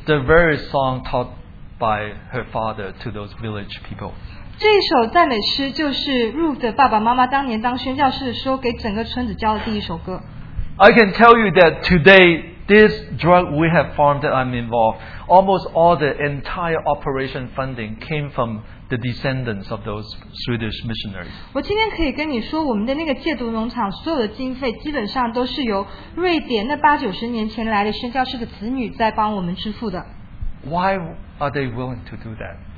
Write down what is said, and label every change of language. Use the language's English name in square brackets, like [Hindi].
[English] The very song taught by her father to those village people. [Chinese] 这首赞美诗就是Ruth的爸爸妈妈当年当宣教士的时候给整个村子教的第一首歌。 [English] I can tell you that today, this drug rehab farm that I'm involved, almost all the entire operation funding came from the descendants of those Swedish missionaries. [Chinese] 我今天可以跟你说，我们的那个戒毒农场所有的经费基本上都是由瑞典那80-90年前来的宣教士的子女在帮我们支付的。 [English] Why are they willing to do that?